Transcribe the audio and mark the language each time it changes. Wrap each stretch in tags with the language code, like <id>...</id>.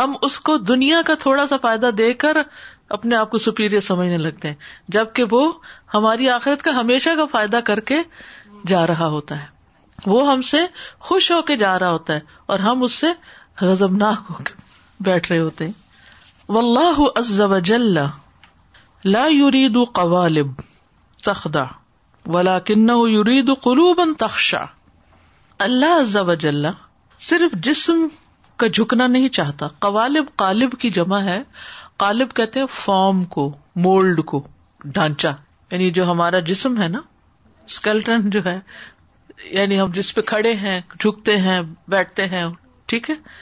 <ur>ہم اس کو دنیا کا تھوڑا سا فائدہ دے کر اپنے آپ کو سپیریئر سمجھنے لگتے ہیں، جبکہ وہ ہماری آخرت کا ہمیشہ کا فائدہ کر کے جا رہا ہوتا ہے، وہ ہم سے خوش ہو کے جا رہا ہوتا ہے اور ہم اس سے غضبناک ہو کے بیٹھ رہے ہوتے ہیں. واللہ عز و جل</ur> <ar>لا يريد قوالب تخدع ولكنه يريد قلوبا تخشع.</ar> <ur>اللہ عز و جل صرف جسم کا جھکنا نہیں چاہتا. قوالب قالب کی جمع ہے, قالب کہتے ہیں فارم کو, مولڈ کو, ڈھانچہ, یعنی جو ہمارا جسم ہے نا, اسکیلٹن جو ہے, یعنی ہم جس پہ کھڑے ہیں, جھکتے ہیں, بیٹھتے ہیں, ٹھیک ہے.</ur>